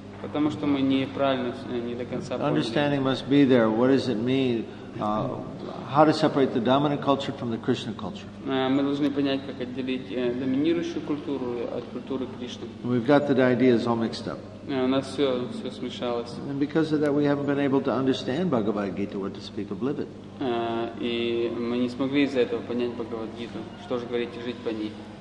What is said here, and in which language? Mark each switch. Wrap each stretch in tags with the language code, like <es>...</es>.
<ru>Потому что мы неправильно, не до конца поняли.</ru> <en>Understanding must be there. What does it mean? How to separate the dominant culture from the Krishna culture?</en> <ru>Мы должны понять, как отделить доминирующую культуру от культуры Кришны.</ru> <en>We've got the ideas all mixed up.</en> <ru>У нас все смешалось.</ru> <en>And because of that, we haven't been able to understand Bhagavad Gita, what to speak of live it.</en> <ru>И мы не смогли из-за этого понять Бхагавад Гиту, что же говорить и жить по ней.</ru>